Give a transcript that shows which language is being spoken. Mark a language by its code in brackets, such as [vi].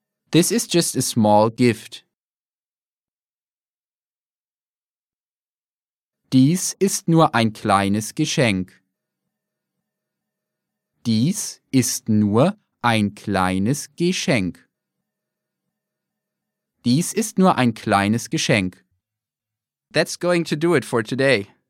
[en] This is just a small gift. [de] Dies ist nur ein kleines Geschenk. Dies ist nur ein kleines Geschenk. Dies ist nur ein kleines Geschenk. [en] That's going to do it for today.